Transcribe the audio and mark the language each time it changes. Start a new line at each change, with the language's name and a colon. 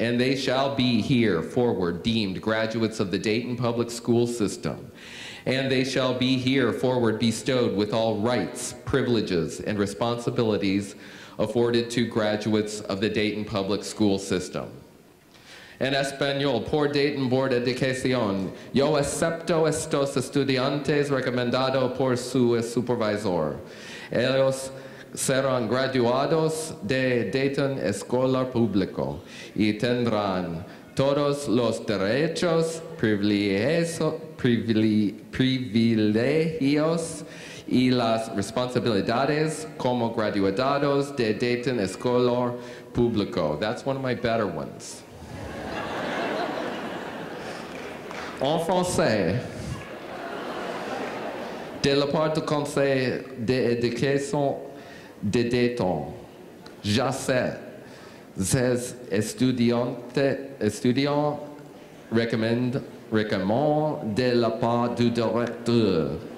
English: And they shall be here forward deemed graduates of the Dayton Public School System. And they shall be here forward bestowed with all rights, privileges, and responsibilities afforded to graduates of the Dayton Public School System.
Spanish: En español, por Dayton Board Education, yo acepto estos estudiantes recomendado por su supervisor. Ellos serán graduados de Dayton Escuela Público y tendrán todos los derechos, privilegios y las responsabilidades como graduados de Dayton Escuela Público.
English: That's one of my better ones.
French: En français, de la part du conseil d'éducation de Dayton, j'accepte ces étudiants recommandent de la part du directeur.